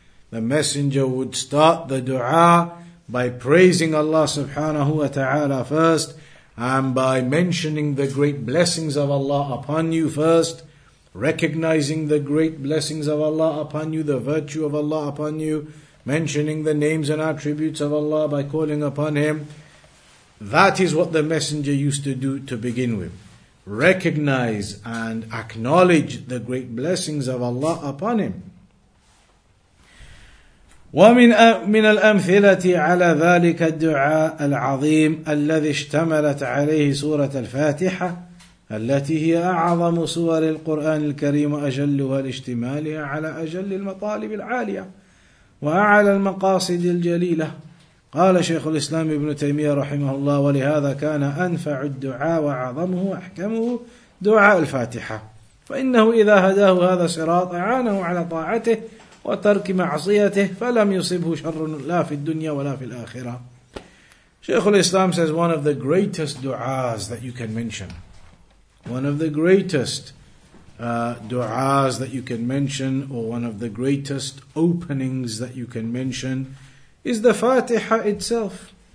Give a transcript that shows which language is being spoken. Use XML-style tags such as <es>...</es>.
<en>The messenger would start the dua by praising Allah subhanahu wa ta'ala first, and by mentioning the great blessings of Allah upon you first, recognizing the great blessings of Allah upon you, the virtue of Allah upon you, mentioning the names and attributes of Allah by calling upon Him. That is what the messenger used to do to begin with. Recognize and acknowledge the great blessings of Allah upon him.</en> <ar>ومن الأمثلة على ذلك الدعاء العظيم الذي اشتملت عليه سورة الفاتحة التي هي أعظم سور القرآن الكريم وأجلها لاشتمالها على أجل المطالب العالية وأعلى المقاصد الجليلة. قال شيخ الإسلام ابن تيمية رحمه الله ولهذا كان أنفع الدعاء وعظمه وأحكمه دعاء الفاتحة فإنه إذا هداه هذا صراط أعانه على طاعته وترك معصيته فلم يصبه شر لا في الدنيا ولا في الآخرة.</ar> <en>شيخ الإسلام says one of the greatest du'as that you can mention, one of the greatest du'as that you can mention, or one of the greatest openings that you can mention, is the Fatiha itself.</en>